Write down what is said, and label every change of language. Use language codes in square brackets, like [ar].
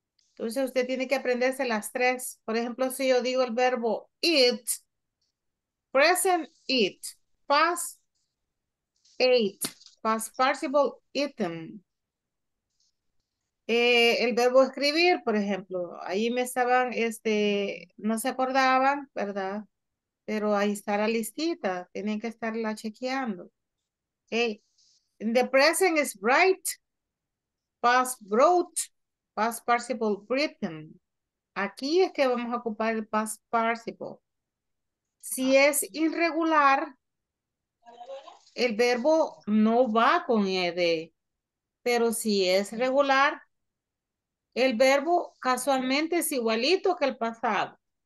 [es] Entonces usted tiene que aprenderse las tres. Por ejemplo, si yo digo el verbo eat, [en] present eat, past ate, past participle eaten. [es] El verbo escribir, por ejemplo, ahí me estaban, no se acordaban, ¿verdad? Pero ahí está la listita, tienen que estarla chequeando. [en] Okay. The present is bright, past wrote, past participle written. [es] Aquí es que vamos a ocupar el past participle. Si es irregular, el verbo no va con ed. Pero si es regular, el verbo casualmente es igualito que el pasado.